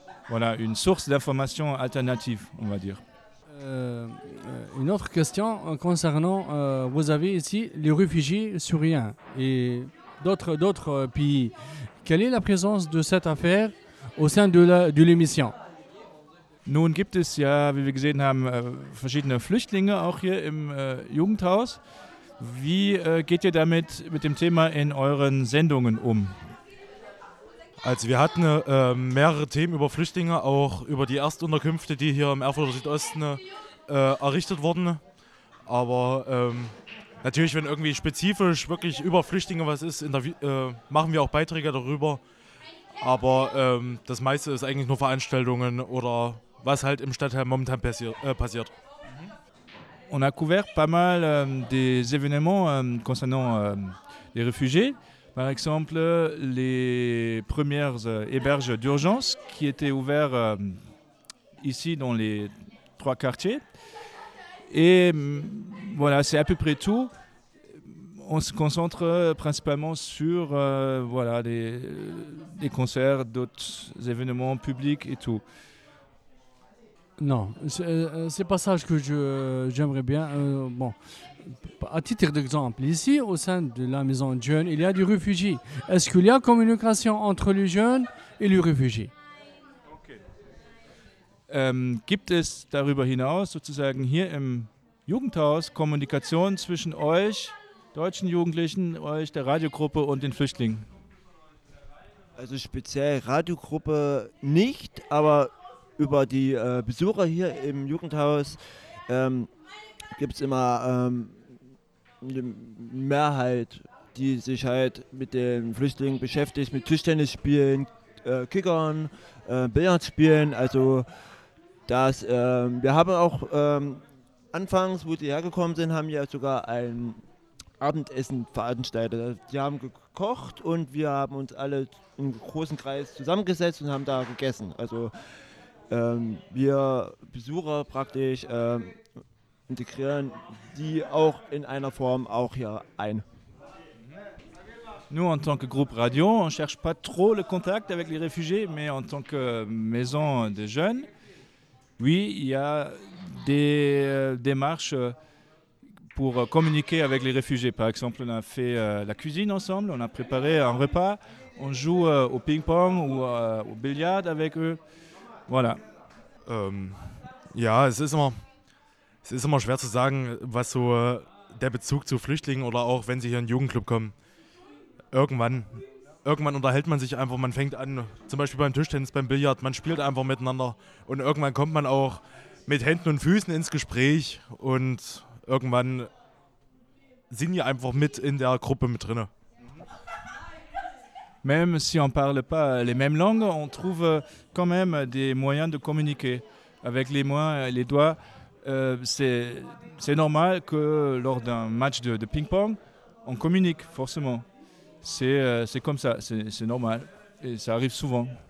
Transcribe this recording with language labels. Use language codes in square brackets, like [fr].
[fr] Voilà, une source d'information alternative, on va dire. Une autre question concernant, vous avez ici les réfugiés syriens et d'autres pays. Quelle est la présence de cette affaire au sein de l'émission ? [de] Nun gibt es ja, wie wir gesehen haben, verschiedene Flüchtlinge auch hier im Jugendhaus. Wie geht ihr damit mit dem Thema in euren Sendungen um? Also wir hatten mehrere Themen über Flüchtlinge, auch über die Erstunterkünfte, die hier im Erfurter Südosten errichtet wurden. Aber natürlich, wenn irgendwie spezifisch wirklich über Flüchtlinge was ist, machen wir auch Beiträge darüber. Aber das meiste ist eigentlich nur Veranstaltungen oder was halt im Stadtteil momentan passiert. [fr] On a couvert pas mal des événements concernant les réfugiés. Par exemple, les premières héberges d'urgence qui étaient ouvertes ici dans les trois quartiers. Et c'est à peu près tout. On se concentre principalement sur des concerts, d'autres événements publics et tout. Non, c'est pas ça que j'aimerais bien. À titre d'exemple, ici, au sein de la maison de jeunes, il y a des réfugiés. Est-ce qu'il y a communication entre les jeunes et les réfugiés? Okay. [de] Gibt es darüber hinaus sozusagen hier im Jugendhaus Kommunikation zwischen euch, deutschen Jugendlichen, euch, der Radiogruppe und den Flüchtlingen? Also speziell Radiogruppe nicht, aber über die Besucher hier im Jugendhaus gibt es immer eine Mehrheit, die sich halt mit den Flüchtlingen beschäftigt, mit Tischtennis spielen, Kickern, Billard spielen. Also wir haben auch anfangs, wo sie hergekommen sind, haben wir sogar ein Abendessen veranstaltet. Die haben gekocht und wir haben uns alle im großen Kreis zusammengesetzt und haben da gegessen. Also wir Besucher praktisch integrieren die auch in einer Form auch hier ein. [fr] Nous, en tant que groupe radio, on ne cherche pas trop le contact avec les réfugiés, mais en tant que maison de jeunes, oui, il y a des démarches pour communiquer avec les réfugiés. Par exemple, on a fait la cuisine ensemble, on a préparé un repas, on joue au ping-pong ou au billard avec eux. Voilà. [de] Ja, es ist immer schwer zu sagen, was so der Bezug zu Flüchtlingen oder auch wenn sie hier in den Jugendclub kommen. Irgendwann unterhält man sich einfach, man fängt an, zum Beispiel beim Tischtennis, beim Billard, man spielt einfach miteinander und irgendwann kommt man auch mit Händen und Füßen ins Gespräch und irgendwann sind die einfach mit in der Gruppe mit drin. [fr] Même si on parle pas les mêmes langues, on trouve quand même des moyens de communiquer avec les mains et les doigts. C'est normal que lors d'un match de ping-pong, on communique forcément. C'est comme ça, c'est normal et ça arrive souvent.